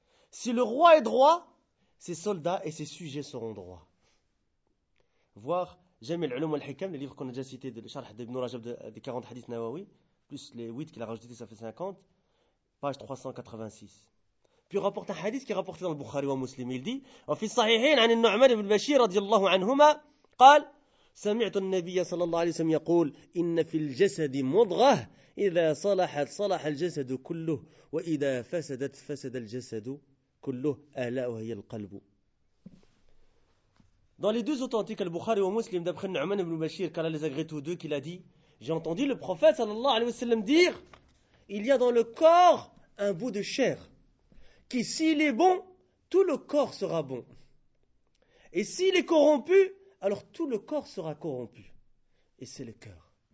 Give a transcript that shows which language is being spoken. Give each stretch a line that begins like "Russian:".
French: Si le roi est droit, ses soldats et ses sujets seront droits. Voir Jamil Ulum al-Hikam, le livre qu'on a déjà cité de Sharh d'Ibn Rajab des 40 hadiths Nawawi, plus les 8 qu'il a rajouté, ça fait 50, page 386. Puis il rapporte un hadith qui est rapporté dans le Bukhari wa Muslim. Il dit:
Arabic: Wa fi sahihin an an-Nu'man ibn Bashir radiyallahu anhuma qal سمعت النبي صلى الله عليه وسلم يقول إن في الجسد مضغة إذا صلحت صلح الجسد كله وإذا فسدت فسد الجسد كله ألا وهي القلب.
French: Dans les deux authentiques, Al-Bukhari et Muslim, d'après Nu'man ibn Bashir, qu'Allah les agrée tous deux, qu'il a dit: j'ai entendu le prophète sallallahu alayhi wa sallam dire: il y a dans le corps un bout de chair qui, s'il est bon, tout le corps sera bon, et s'il est corrompu, alors tout le corps sera corrompu. Et c'est le cœur.